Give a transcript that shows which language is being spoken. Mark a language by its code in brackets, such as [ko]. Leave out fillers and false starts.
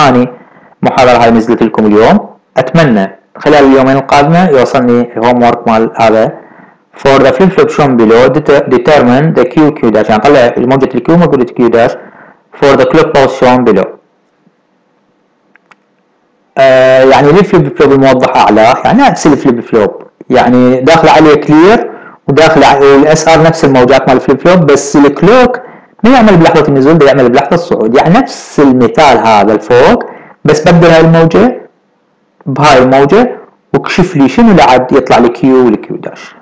[ar] اني محاضرة هاي نزلت لكم اليوم اتمنى خلال اليومين القادمة يوصلني الهوم وورك مال هذا. [en] For the flip flop shown below determine the Q Q dash [ar] يعني طلع الموجة الـ [en] Q موجة Q dash for the clock pulse shown below. [ar] يعني ليه flip flop الموضحة على يعني نفس الفليب فلوب يعني داخل عليه كلير وداخل الـ SR نفس الموجات مال الفليب فلوب بس الـ clock ما يعمل بلحظة النزول بيعمل بلحظة الصعود. يعني نفس المثال هذا الفوق بس ببدل هاي الموجة بهاي الموجة وكشف لي شنو لعد يطلع لي كيو والكيو داش.